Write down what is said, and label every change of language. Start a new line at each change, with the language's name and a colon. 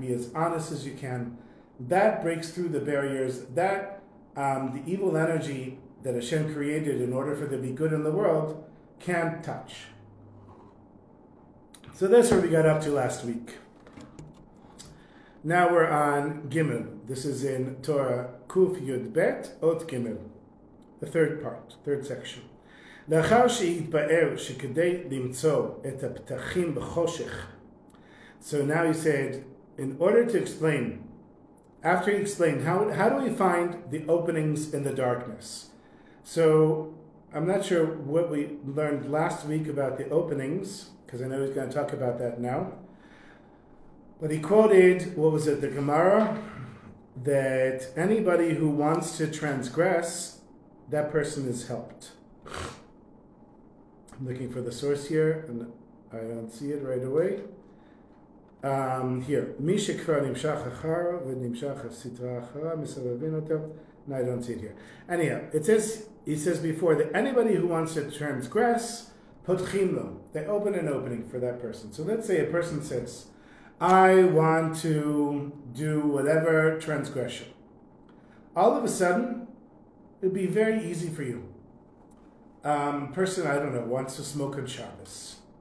English: Be as honest as you can. That breaks through the barriers, that the evil energy that Hashem created in order for there to be good in the world can't touch. So that's where we got up to last week. Now we're on Gimel. This is in Torah Kuf Yud Bet, Ot Gimel, the third part, third section.
Hebrew: לאחר שהתבאר שכדי למצוא את הפתחים בחושך.
English: So now he said, in order to explain, after he explained, how do we find the openings in the darkness? So, I'm not sure what we learned last week about the openings, because I know he's going to talk about that now. But he quoted, what was it, the Gemara? That anybody who wants to transgress, that person is helped. I'm looking for the source here, and I don't see it right away.
Hebrew: Here, מי שכבר נמשך אחר ונמשך הסתרה אחר מסבבין אותו.
English: No, I don't see it here. Anyhow, it says before that anybody who wants to transgress,
Hebrew: פותחים לו.
English: They open an opening for that person. So let's say a person says, I want to do whatever transgression. All of a sudden, it'd be very easy for you. Person, I don't know, wants to smoke on Shabbos.